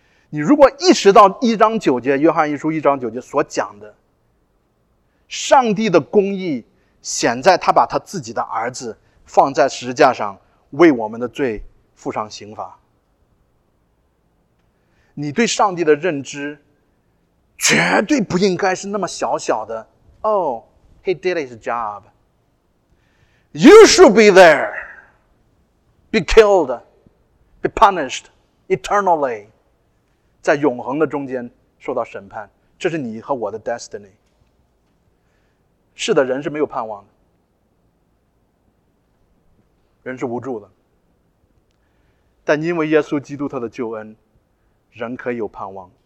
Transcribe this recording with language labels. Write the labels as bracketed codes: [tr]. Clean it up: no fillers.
[zh] 你如果意识到1章9节，约翰一书1章9节所讲的上帝的公义，显在他把他自己的儿子放在十字架上，为我们的罪付上刑罚，你对上帝的认知绝对不应该是那么小小的。 [en] Oh, he did his job. You should be there, be killed, be punished eternally. [zh] 在永恒的中间受到审判，这是你和我的 destiny。是的，人是没有盼望的，人是无助的，但因为耶稣基督他的救恩，人可以有盼望。